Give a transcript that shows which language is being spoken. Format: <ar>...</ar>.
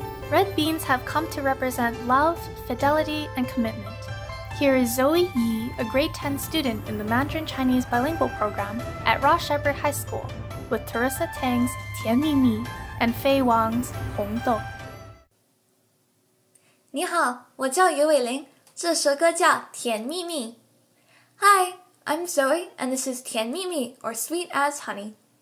<en>Red beans have come to represent love, fidelity, and commitment. Here is Zoe Yee, a grade 10 student in the Mandarin Chinese bilingual program at Ross Shepherd High School, with Teresa Tang's Tian Mi Mi and Fei Wang's Hong Dou.</en> <zh>你好,我叫余伟玲,这首歌叫甜蜜蜜.</zh> <en>Hi, I'm Zoe, and this is Tian Mi Mi, or Sweet as Honey.</en>